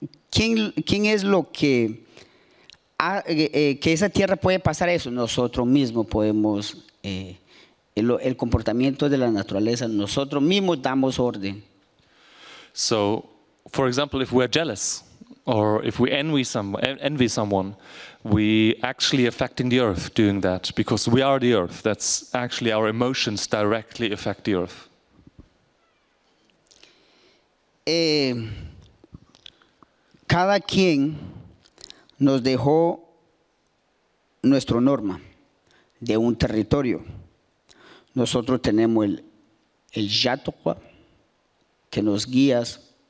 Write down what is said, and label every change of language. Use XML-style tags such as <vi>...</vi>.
<es>¿Quién es lo que que esa tierra puede pasar eso? Nosotros mismos podemos, el comportamiento de la naturaleza, nosotros mismos damos orden.</es> <en>So, for example, if we're jealous or if we envy someone, we actually affecting the earth doing that because we are the earth. That's actually our emotions directly affect the earth.</en> <es>Cada quien nos dejó nuestro norma de un territorio. Nosotros tenemos el yatoqua que nos guías.</es>